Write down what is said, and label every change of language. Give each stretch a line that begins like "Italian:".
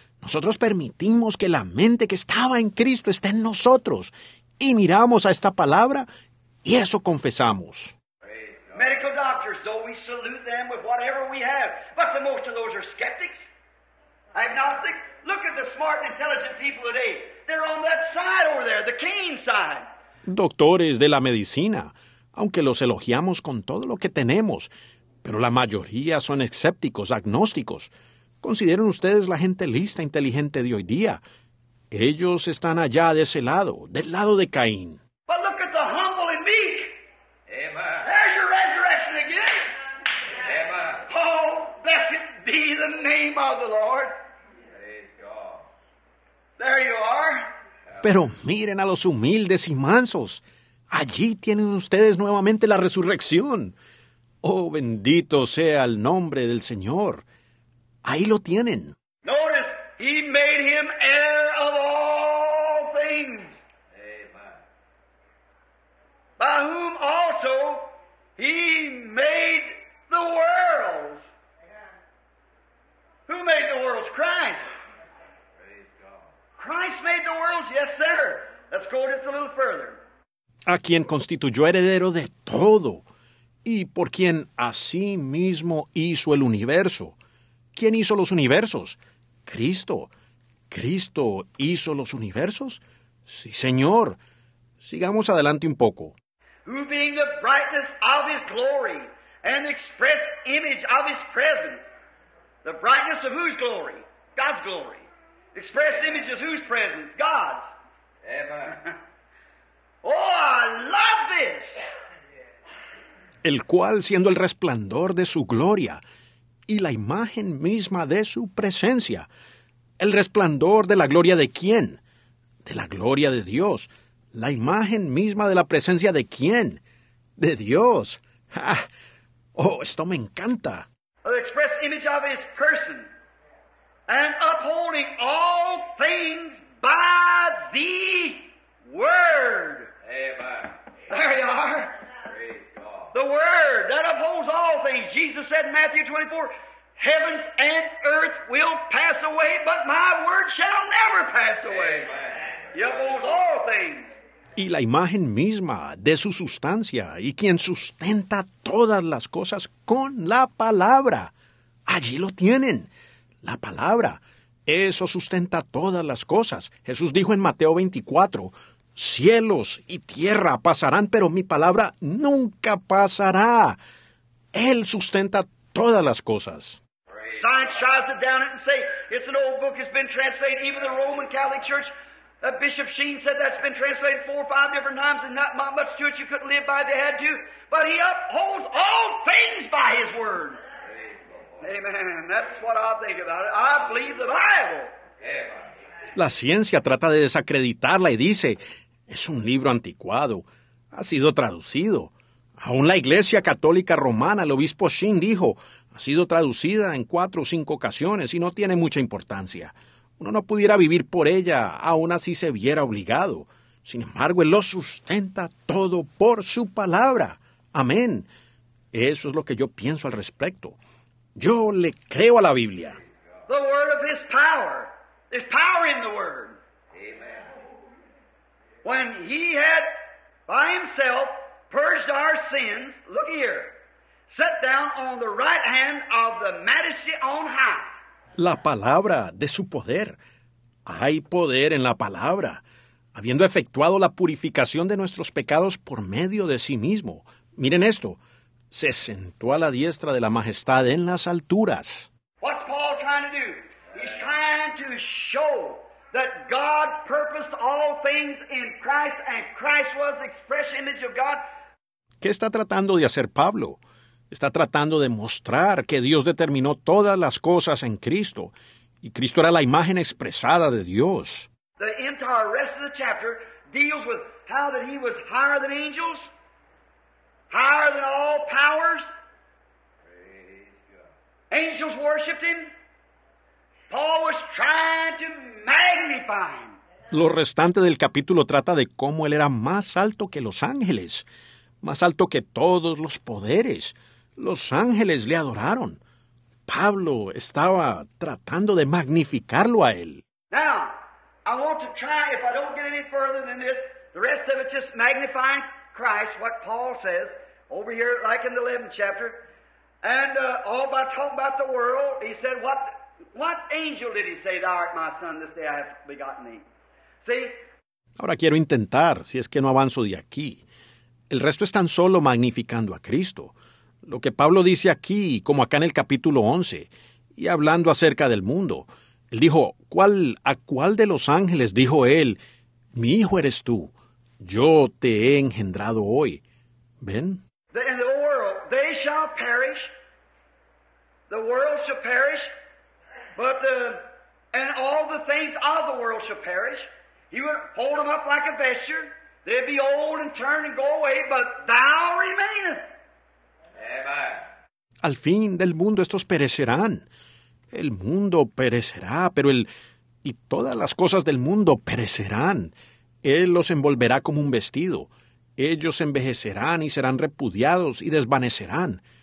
Spanish: Nosotros permitimos que la mente que estaba en Cristo esté en nosotros. Y miramos a esta palabra y eso confesamos.
English: Medical doctors, though we salute them with whatever we have, but the most of those are skeptics. Agnostics, look at the smart and intelligent people today. They're on that side over there, the Cain side.
Spanish: Doctores de la medicina, aunque los elogiamos con todo lo que tenemos, pero la mayoría son escépticos, agnósticos. Consideren ustedes la gente lista, inteligente de hoy día. Ellos están allá de ese lado, del lado de Caín.
English: But look at the humble and meek. Amen. There's your resurrection again. Amen. Oh, blessed be the name of the Lord. Praise God. There you are.
Spanish: Pero miren a los humildes y mansos. Allí tienen ustedes nuevamente la resurrección. Oh, bendito sea el nombre del Señor. Ahí lo tienen.
English: Notice, he made him heir of all things. Amen. By whom also he made the worlds. Who made the worlds? Christ. Praise God. Christ made the worlds, yes, sir. Let's go just a little further.
Spanish: A quien constituyó heredero de todo, y por quien a sí mismo hizo el universo. ¿Quién hizo los universos? Cristo. ¿Cristo hizo los universos? Sí, Señor. Sigamos adelante un poco.
English: Who being the brightness of His glory and the express image of His presence. The brightness of whose glory? God's glory. Express image of whose presence? God's. Amen. Oh, I love this!
Spanish: El cual, siendo el resplandor de su gloria y la imagen misma de su presencia. ¿El resplandor de la gloria de quién? De la gloria de Dios. ¿La imagen misma de la presencia de quién? De Dios. ¡Ja! ¡Oh, esto me encanta!
English: The express image of His person and upholding all things by the Word. There you are. The Word that upholds all things. Jesus said in Matthew 24, heavens and earth will pass away, but my Word shall never pass away. He upholds all things.
Spanish: Y la imagen misma de su sustancia y quien sustenta todas las cosas con la palabra. Allí lo tienen. La palabra. Eso sustenta todas las cosas. Jesús dijo en Mateo 24, cielos y tierra pasarán, pero mi palabra nunca pasará. Él sustenta todas las cosas.
English: Science tries to down it and say, it's an old book, it's been translated. Even the Roman Catholic Church, Bishop Sheen said that's been translated 4 or 5 different times and not much to it. You couldn't live by it if you had to. But He upholds all things by His Word. Amen. That's what I think about it. I believe the Bible. Amen.
Spanish: La ciencia trata de desacreditarla y dice, es un libro anticuado, ha sido traducido. Aún la Iglesia Católica Romana, el obispo Sheen dijo, ha sido traducida en 4 o 5 ocasiones y no tiene mucha importancia. Uno no pudiera vivir por ella, aún así se viera obligado. Sin embargo, Él lo sustenta todo por su palabra. Amén. Eso es lo que yo pienso al respecto. Yo le creo a la Biblia.
English: The word of His power. There's power in the Word. Amen. When He had by Himself purged our sins, look here, sat down on the right hand of the Majesty on high.
Spanish: La palabra de su poder. Hay poder en la palabra. Habiendo efectuado la purificación de nuestros pecados por medio de sí mismo. Miren esto. Se sentó a la diestra de la Majestad en las alturas.
English: What's Paul trying to do? He's trying to show that God purposed all things in Christ and Christ was the express image of God.
Spanish: ¿Qué está tratando de hacer Pablo? Está tratando de mostrar que Dios determinó todas las cosas en Cristo y Cristo era la imagen expresada de Dios.
English: The entire rest of the chapter deals with how that He was higher than angels, higher than all powers. Angels worshipped Him. Paul was trying to magnify Him.
Spanish: Lo restante del capítulo trata de cómo Él era más alto que los ángeles, más alto que todos los poderes. Los ángeles le adoraron. Pablo estaba tratando de magnificarlo a Él.
English: Now, I want to try, if I don't get any further than this, the rest of it just magnifying Christ, what Paul says, over here, like in the 11th chapter, and all by talking about the world, he said, What angel did he say, thou art my son, this day I have begotten thee? See?
Spanish: Ahora quiero intentar, si es que no avanzo de aquí. El resto es tan solo magnificando a Cristo. Lo que Pablo dice aquí, como acá en el capítulo 11, y hablando acerca del mundo. Él dijo, ¿a cuál de los ángeles dijo él, mi hijo eres tú, yo te he engendrado hoy? ¿Ven?
English: In the world, they shall perish. The world shall perish. But and all the things of the world shall perish. He would hold them up like a vesture. They'd be old and turn and go away, but thou remainest. Amen.
Spanish: Al fin del mundo estos perecerán. El mundo perecerá, pero y todas las cosas del mundo perecerán. Él los envolverá como un vestido. Ellos envejecerán y serán repudiados y desvanecerán.